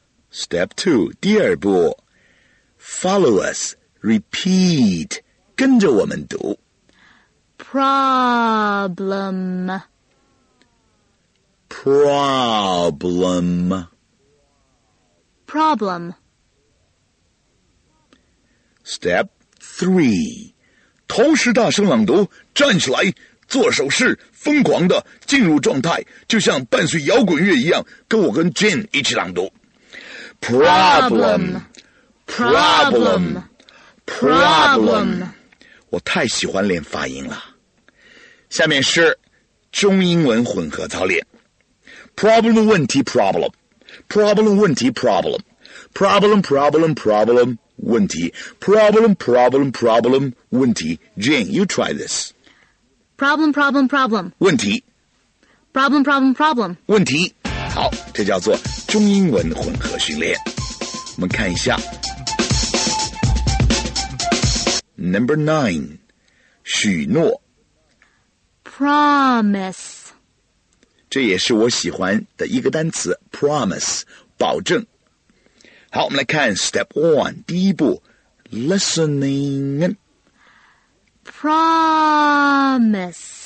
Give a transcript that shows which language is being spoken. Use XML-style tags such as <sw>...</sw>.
<en>Step 2</en> <zh>第二步，</zh> <en>Follow us. Repeat，</en> <zh>跟着我们读。</zh> <en>Problem. Problem. Problem.</en> <zh>Step three， 同时大声朗读，站起来，做手势，疯狂的进入状态，就像伴随摇滚乐一样，跟我跟 Jane 一起朗读。</zh> <en>Problem. Problem. Problem，</en> <zh>我太喜欢练发音了。下面是中英文混合操练。</zh> <en>Problem 问题 problem， problem 问题 problem， problem problem problem 问题， problem problem problem 问题。 Jane， you try this。 Problem problem problem</en> <zh>问题。</zh> <en>Problem problem problem</en> <zh>问题。好，这叫做中英文混合训练。我们看一下。</zh> <en>Number nine，</en> <zh>许诺。</zh> <en>Promise，</en> <zh>这也是我喜欢的一个单词。Promise， 保证。好，我们来看</zh> <en>Step one，</en> <zh>第一步 ，Listening。</zh> <en>Promise。</en>